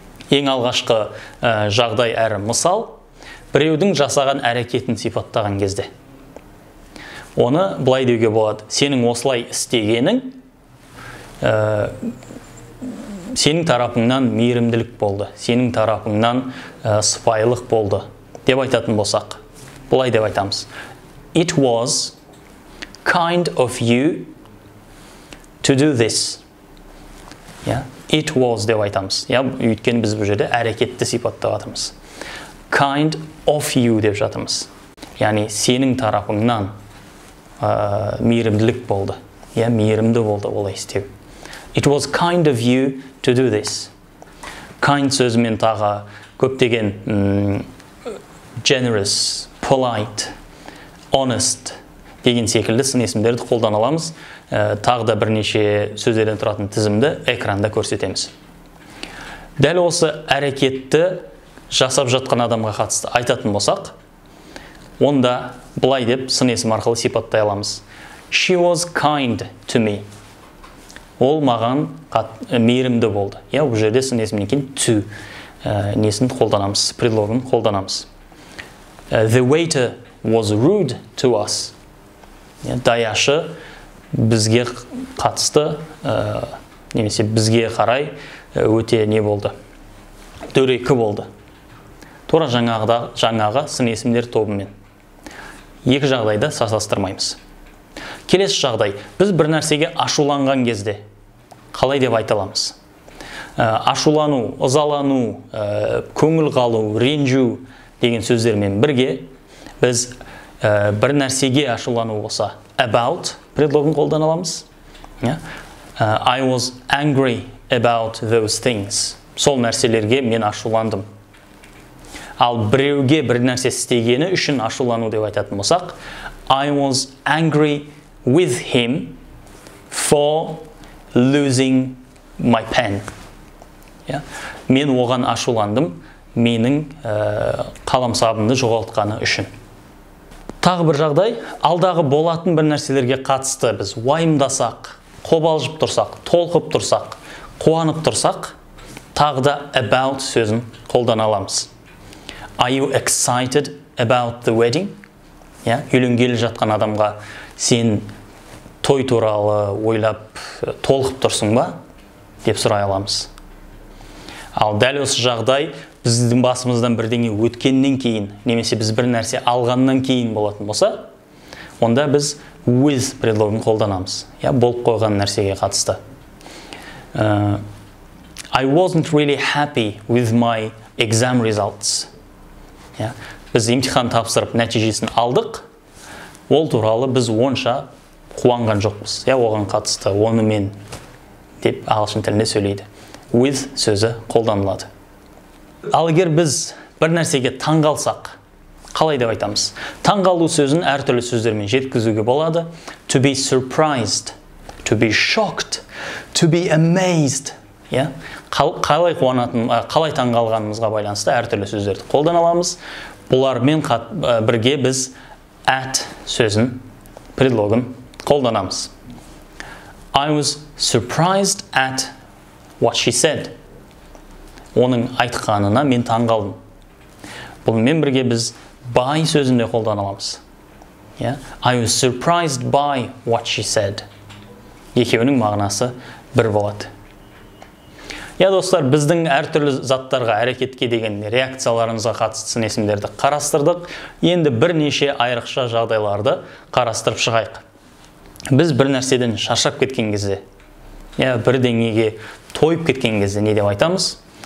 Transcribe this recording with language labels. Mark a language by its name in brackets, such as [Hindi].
[Kazakh] Ең алғашқы жағдай әрі мысал, біреудің жасаған әрекетін сипаттаған кезде. Оны былай деуге болады, сенің осылай істегенің, сенің тарапыңнан мейірімділік болды, сенің тарапыңнан сыпайылық болды, деп айтатын болсақ. Былай деп айтамыз. [English] It was kind of you to do this. Yeah, it was [Kazakh] деп айтамыз. Yeah, өйткені біз бұл жерде әрекетті сипаттап жатырмыз. [English] Kind of you [Kazakh] деп жатырмыз. Яғни сенің тарапыңнан мейірімділік болды. Yeah, мейірімді болды олай істеу. [English] It was kind of you to do this. [Kazakh] Kind сөзімен тағы көптеген generous, polite, honest деген секілді сын есімдерді қолдана аламыз. Тағы да бірнеше сөздерден тұратын тізімді экранда көрсетеміз. Дәл осы әрекетті жасап жатқан адамға қатысты айтатын болсақ, онда былай деп сын есім арқылы сипаттай аламыз. [English] She was kind to me. [Kazakh] Ол маған мейірімді болды. Я, бұл жерде сын есімнен кейін to несін қолданамыз, предлогын қолданамыз. [English] The waiter was rude to us. [Kazakh] Даяшы бізге қатысты, немесе бізге қарай өте не болды? Дөрекі болды. Тура жаңағы сын есімдер тобымен. Екі жағдайды сасастырмаймыз. Келесі жағдай, біз бір нәрсеге ашуланған кезде қалай деп айталамыз? Ашулану, ызалану, көңіл қалу, ренжу деген сөздермен бірге біз бір нәрсеге ашулану болса about предлогын қолдана аламыз. [English] I was angry about those things. [Kazakh] Сол нәрселерге мен ашуландым. Ал біреуге бір нәрсе істегені үшін ашулану деп айтатын болсақ, [English] I was angry with him for losing my pen. [Kazakh] Мен оған ашуландым. Менің қаламсабымды жоғалтқаны үшін. Тағы бір жағдай, алдағы болатын бір нәрселерге қатысты біз уайымдасақ, қобалжып тұрсақ, толқып тұрсақ, қуанып тұрсақ, тағы да about сөзін қолдана аламыз. [English] Are you excited about the wedding? [Kazakh] Үйленгелі жатқан адамға сен той туралы ойлап толқып тұрсың ба? Деп сұрай аламыз. Ал дәл осы жағдай, біздің басымыздан бірдеңе өткеннен кейін, немесе біз бір нәрсе алғаннан кейін болатын болса, онда біз with предлогын қолданамыз. Я, болып қойған нәрсеге қатысты. [English] I wasn't really happy with my exam results. [Kazakh] Біз емтихан тапсырып нәтижесін алдық, ол туралы біз онша қуанған жоқпыз. Я, оған қатысты, оны мен деп ағылшын тілінде сөйлейді. With сөзі қолданылады. Ал егер біз бір нәрсеге таң қалсақ, қалай деп айтамыз? Таң қалу сөзін әртүрлі сөздермен жеткізуге болады. [English] To be surprised, to be shocked, to be amazed. [Kazakh] Қалай таң қалғанымызға байланысты әртүрлі сөздерді қолдана аламыз. Бұлармен бірге біз at сөзін, предлогын қолданамыз. [English] I was surprised at what she said. [Kazakh] Оның айтқанына мен таң қалдым. Бұнымен бірге біз by сөзінде қолдана аламыз. [English] Yeah? I was surprised by what she said. [Kazakh] Екеуінің мағынасы бір болады. Я, достар, біздің әртүрлі заттарға әрекетке деген реакцияларымызға қатысты есімдерді қарастырдық. Енді бірнеше айрықша жағдайларды қарастырып шығайық. Біз бір нәрседен шаршап кеткен кезде, я бірдеңеге тойып кеткен кезде не деп айтамыз?